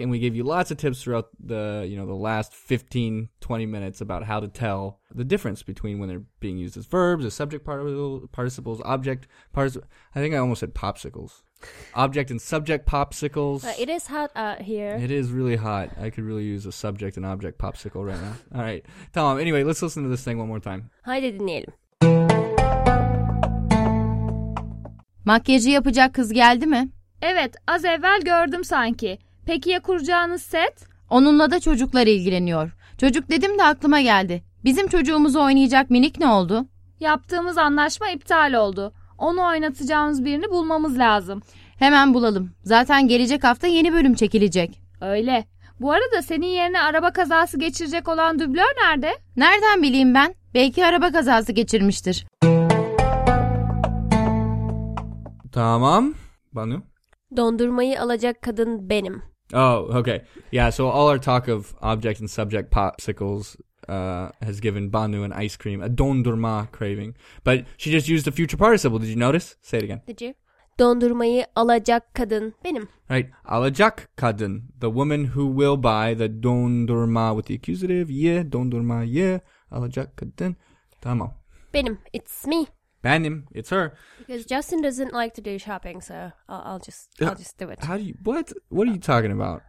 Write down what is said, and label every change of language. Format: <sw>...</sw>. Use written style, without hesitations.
<en>And we gave you lots of tips throughout the, you know, the last 15, 20 minutes about how to tell the difference between when they're being used as verbs, as subject participles, object participles. I think I almost said popsicles. Object and subject popsicles. It is hot out here. It is really hot. I could really use a subject and object popsicle right now. All right. Tamam. Anyway, let's listen to this thing one more time.</en> <tr>Haydi dinleyelim. Makyajı yapacak kız geldi mi? Evet, az evvel gördüm sanki. Peki ya kuracağınız set? Onunla da çocuklar ilgileniyor. Çocuk dedim de aklıma geldi. Bizim çocuğumuzu oynayacak minik ne oldu? Yaptığımız anlaşma iptal oldu. Onu oynatacağımız birini bulmamız lazım. Hemen bulalım. Zaten gelecek hafta yeni bölüm çekilecek. Öyle. Bu arada senin yerine araba kazası geçirecek olan dublör nerede? Nereden bileyim ben? Belki araba kazası geçirmiştir. Tamam. Banu? Dondurmayı alacak kadın benim.</tr> <en>Oh, okay. Yeah, so all our talk of object and subject popsicles has given Banu an ice cream, a dondurma craving. But she just used a future participle. Did you notice? Say it again. Did you?</en> <tr>Dondurmayı alacak kadın benim.</tr> <en>Right.</en> <tr>Alacak kadın.</tr> <en>The woman who will buy the dondurma with the accusative.</en> <tr>Ye, dondurma ye. Alacak kadın. Tamam.</tr> <en>Benim. It's me. Benim. It's her. Because Justin doesn't like to do shopping, so I'll just do it. How do you... What? What are you talking about?</en>